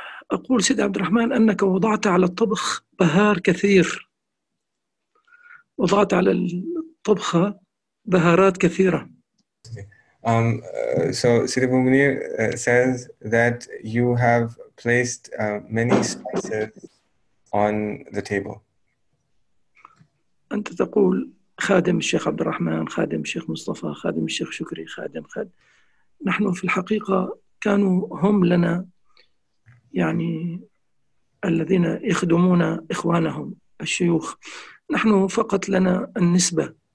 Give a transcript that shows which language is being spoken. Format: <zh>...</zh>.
<ar>أقول سيد عبد الرحمن أنك وضعت على الطبخ بهار كثير وضعت على الطبخة بهارات كثيرة.</ar> <en>So Sidi Abu Munir says that you have placed many spices on the table.</en> <ar>أنت تقول خادم الشيخ عبد الرحمن خادم الشيخ مصطفى خادم الشيخ شكري خادم خد نحن في الحقيقة كانوا هم لنا يعني الذين يخدمون إخوانهم الشيوخ نحن فقط لنا النسبة</ar>